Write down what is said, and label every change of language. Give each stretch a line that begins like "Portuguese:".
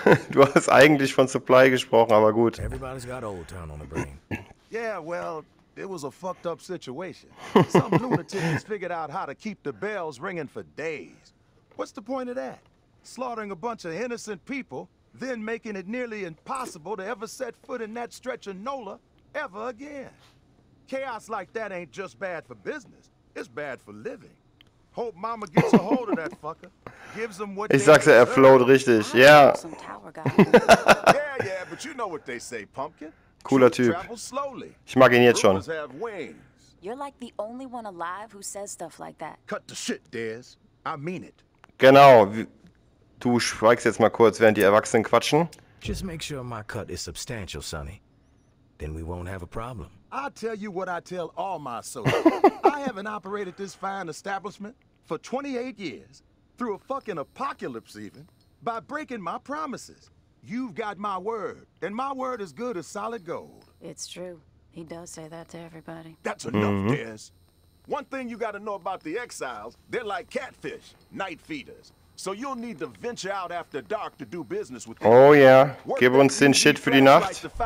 German: Du hast eigentlich von Supply gesprochen, aber gut.
English: Everybody's got Old Town on the brain. Yeah, well, it was a fucked up situation. Some lunatics figured out how to keep the bells ringing for days. What's the point of that? Slaughtering a bunch of innocent people, then making it nearly impossible to ever set foot in that stretch of NOLA ever again. Chaos like that ain't just bad for business, it's bad for living. Hope Mama gets a hold of that fucker. Gives them what
German: ich sag's ja, er float richtig, ja.
English: Yeah, yeah, but you know what they say, Pumpkin.
German: Cooler Typ. Ich mag ihn jetzt schon.
English: You're like the only one alive who says stuff like that. Cut the shit, Dez. I mean it.
German: Genau. Du schweigst jetzt mal kurz, während die Erwachsenen quatschen.
English: Just make sure my cut is substantial, Sonny. Then we won't have a problem. I'll tell you what I tell all my soldiers. I haven't operated this fine establishment for 28 years, through a fucking apocalypse even, by breaking my promises. You've got my word, and my word is good as solid gold. It's true. He does say that to everybody. That's enough, mm-hmm. Dez. One thing you gotta know about the exiles, they're like catfish, night feeders. So you'll need to venture out after dark to do business with them. Oh yeah,
German: gib uns den Shit für die Nacht.